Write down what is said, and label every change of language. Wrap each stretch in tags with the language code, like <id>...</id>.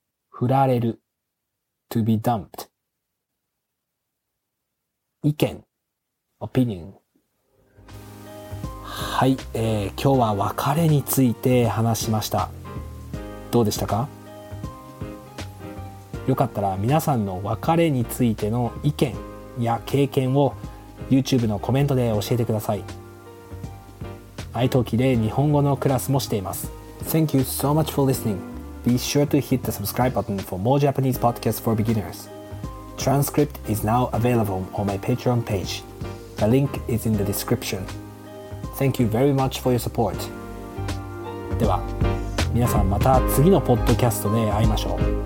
<ja>振られる</ja> <en>to be dumped</en> <ja>意見</ja> <en>opinion</en> <ja>はい、今日は別れについて話しました。どうでしたか？よかったら皆さんの別れについての意見や経験を YouTube のコメントで教えてください。 iTalkiで日本語のクラスもしています。</ja> <en>Thank you so much for listening. Be sure to hit the subscribe button for more Japanese podcasts for beginnersTranscript is now available on my Patreon page. The link is in the description. Thank you very much for your support.</en> <ja>では、皆さんまた次のポッドキャストで会いましょう。</ja>